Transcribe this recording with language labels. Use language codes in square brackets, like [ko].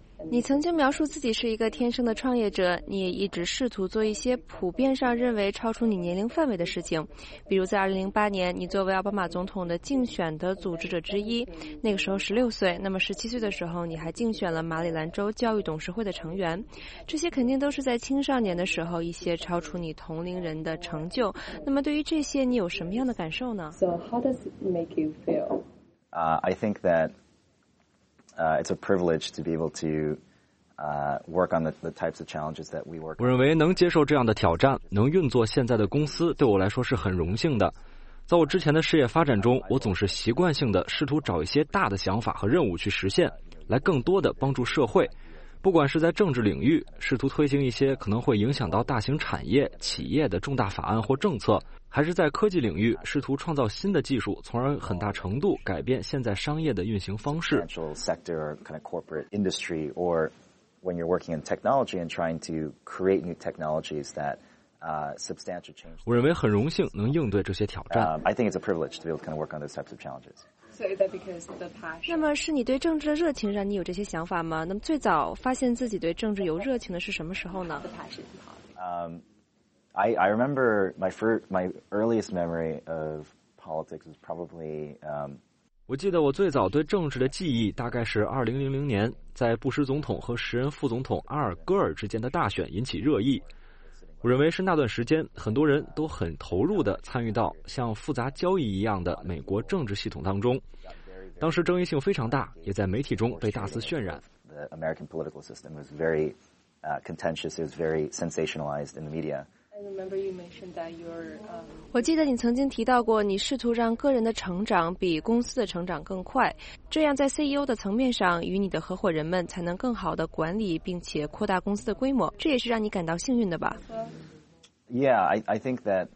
[zh] 你曾经描述自己是一个天生的创业者，你也一直试图做一些普遍上认为超出你年龄范围的事情，比如在2008年你作为奥巴马总统的竞选的组织者之一，那个时候16岁，那么17岁的时候你还竞选了马里兰州教育董事会的成员，这些肯定都是在青少年的时候一些超出你同龄人的成就。那么对于这些你有什么样的感受呢？ [en] So how does it make you feel? It's a privilege to be able to work on the types of challenges that we work. [zh] 我认为能接受这样的挑战，能运作现在的公司，对我来说是很荣幸的。在我之前的事业发展中，我总是习惯性的试图找一些大的想法和任务去实现，来更多的帮助社会。不管是在政治领域，试图推行一些可能会影响到大型产业、企业的重大法案或政策，还是在科技领域试图创造新的技术，从而很大程度改变现在商业的运行方式。我认为很荣幸能应对这些挑战。 [en] I think it's a privilege to be able to kind of work on those types of challenges. [zh] 那么是你对政治的热情让你有这些想法吗？那么最早发现自己对政治有热情的是什么时候呢？ [en] I remember my earliest memory of politics was probably. [zh] 我记得我最早对政治的记忆大概是2000年，在布什总统和时任副总统阿尔戈尔之间的大选引起热议。我认为是那段时间很多人都很投入地参与到像复杂交易一样的美国政治系统当中，当时争议性非常大，也在媒体中被大肆渲染。 [en] The American political system was very contentious, it was very sensationalized in the media. [zh] 我记得你曾经提到过你试图让个人的成长比公司的成长更快，这样在 CEO 的层面上与你的合伙人们才能更好地管理并且扩大公司的规模，这也是让你感到幸运的吧？ [en] Yeah, I think that